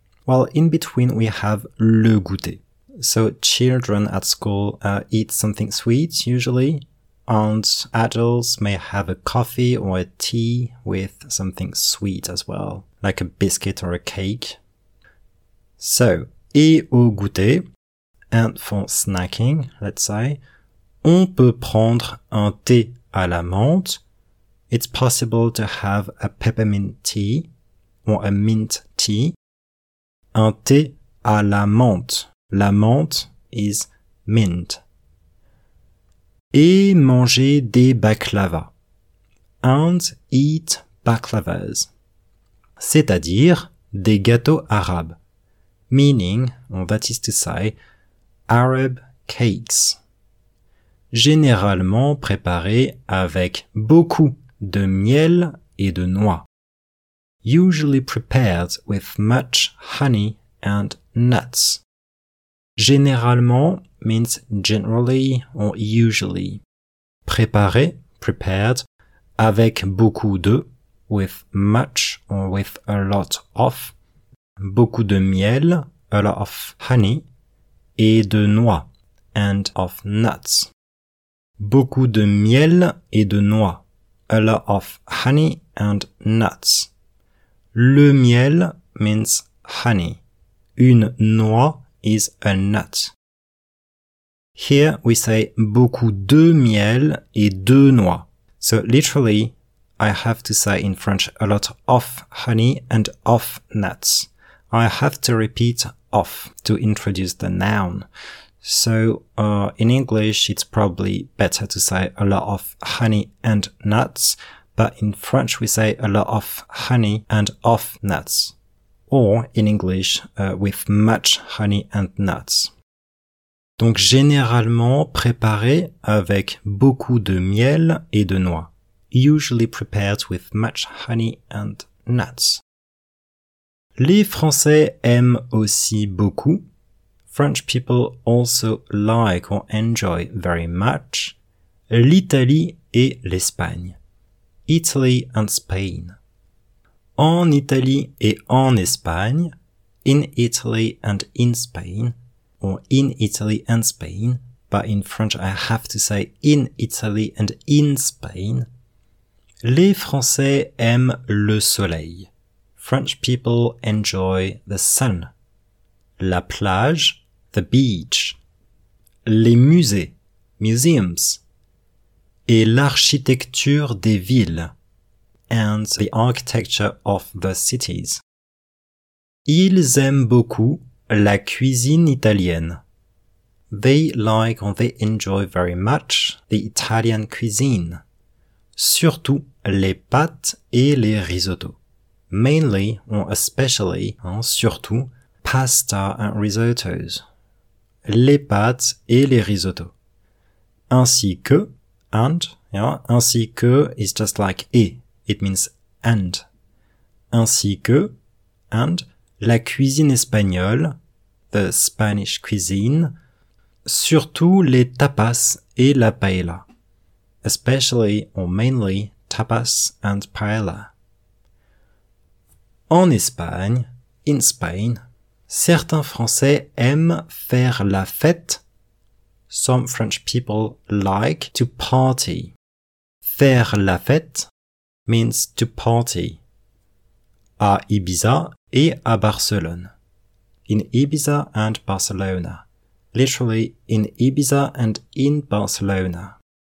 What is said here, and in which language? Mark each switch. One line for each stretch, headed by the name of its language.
English: Well, in between we have le goûter. So children at school eat something sweet usually, and adults may have a coffee or a tea with something sweet as well, like a biscuit or a cake. So,
French: et au goûter,
English: and for snacking, let's say,
French: on peut prendre un thé à la menthe.
English: It's possible to have a peppermint tea or a mint tea.
French: Un thé à la menthe. La menthe
English: is mint.
French: Et manger des baklava.
English: And eat baklavas.
French: C'est-à-dire des gâteaux arabes.
English: Meaning, or that is to say, Arab cakes.
French: Généralement préparés avec beaucoup de miel et de noix.
English: Usually prepared with much honey and nuts. Généralement means generally or usually.
French: Préparé,
English: prepared,
French: avec beaucoup de,
English: with much or with a lot of,
French: beaucoup de miel,
English: a lot of honey,
French: et de noix,
English: and of nuts.
French: Beaucoup de miel et de noix.
English: A lot of honey and nuts. Le miel means honey. Une noix is a nut. Here we say
French: beaucoup de miel et de noix.
English: So literally, I have to say in French a lot of honey and of nuts. I have to repeat of to introduce the noun. So in English, it's probably better to say a lot of honey and nuts, but in French we say a lot of honey and of nuts, or in English with much honey and nuts.
French: Donc généralement préparé avec beaucoup de miel et de noix.
English: Usually prepared with much honey and nuts.
French: Les Français aiment aussi beaucoup.
English: French people also like or enjoy very much
French: l'Italie et l'Espagne.
English: Italy and Spain.
French: En Italie et en Espagne,
English: in Italy and in Spain, or in Italy and Spain, but in French I have to say in Italy and in Spain,
French: les Français aiment le soleil.
English: French people enjoy the sun.
French: La plage,
English: the beach,
French: les musées,
English: museums,
French: et l'architecture des villes,
English: and the architecture of the cities.
French: Ils aiment beaucoup la cuisine italienne.
English: They like or they enjoy very much the Italian cuisine.
French: Surtout les pâtes et les risottos.
English: Mainly or especially,
French: hein, surtout,
English: pasta and risottos.
French: Les pâtes et les risottos.
English: Ainsi que, and, yeah, ainsi que is just like et, it means and.
French: Ainsi que,
English: and,
French: la cuisine espagnole,
English: the Spanish cuisine,
French: surtout les tapas et la paella.
English: Especially or mainly tapas and paella.
French: En Espagne,
English: in Spain,
French: certains Français aiment faire la fête.
English: Some French people like to party. Faire la fête means to party.
French: À Ibiza et à Barcelone.
English: In Ibiza and Barcelona. Literally, in Ibiza and in Barcelona.